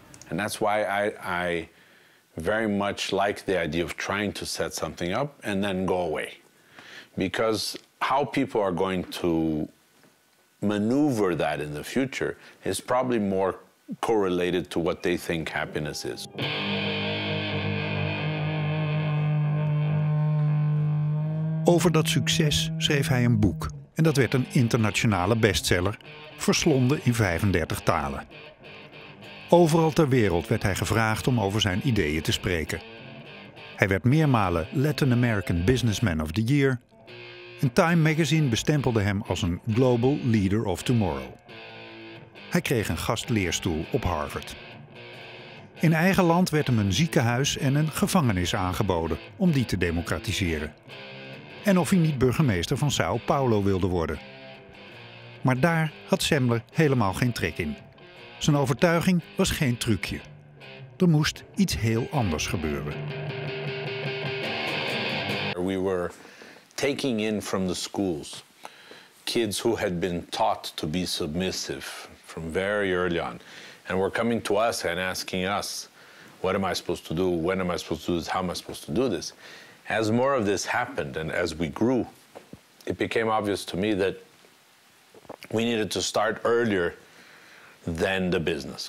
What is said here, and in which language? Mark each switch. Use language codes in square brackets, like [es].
[en] And that's why I very much like the idea of trying to set something up and then go away. Because how people are going to maneuver that in the future is probably more correlated to what they think happiness is. [nl] Over dat succes schreef hij een boek. En dat werd een internationale bestseller, verslonden in 35 talen. Overal ter wereld werd hij gevraagd om over zijn ideeën te spreken. Hij werd meermalen Latin American Businessman of the Year. En Time Magazine bestempelde hem als een Global Leader of Tomorrow. Hij kreeg een gastleerstoel op Harvard. In eigen land werd hem een ziekenhuis en een gevangenis aangeboden om die te democratiseren. En of hij niet burgemeester van São Paulo wilde worden. Maar daar had Semler helemaal geen trek in. Zijn overtuiging was geen trucje. Er moest iets heel anders gebeuren. [en] We were taking in from the schools kids who had been taught to be submissive from very early on. And were coming to us and asking us, what am I supposed to do? When am I supposed to do this? How am I supposed to do this? As more of this happened and as we grew, it became obvious to me that we needed to start earlier than the business.